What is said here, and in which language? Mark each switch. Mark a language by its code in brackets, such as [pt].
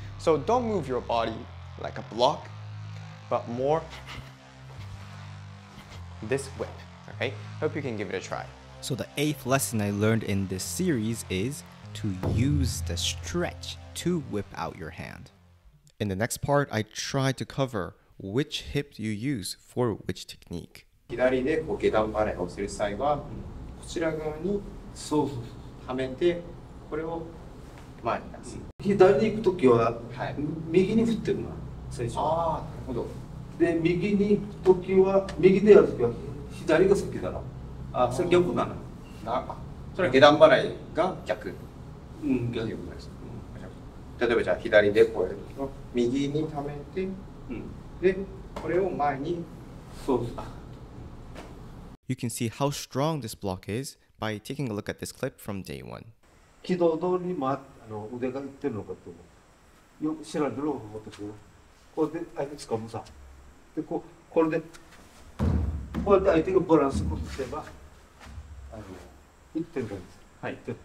[en] So don't move your body like a block, but more this whip, okay? Hope you can give it a try. So the eighth lesson I learned in this series is to use the stretch to whip out your hand. In the next part, I try to cover which hip you use for which technique. [ja] 左でこう下段払いをする際は、こちら側にそうはめて、これを前に出す。左に行くときは、はい、右に振ってるな、最初。ああ、なるほど。で、右に行くときは、右でやるときは、左が先だな。あ、それ逆なの。なるほど。それは下段払いが逆。うん、逆です、うん。例えばじゃあ、左でこうやると、右に溜めて、うん、で、これを前に、そうです。 [en] You can see how strong this block is by taking a look at this clip from day one. [ja] 軌道通りに回って、あの腕がいってるのかと思う。よく知らんのを持ってくる。これで相手つかむさ。で、こう、これで、こうやって相手がバランスを取れば、あの、いってる感じです。はい。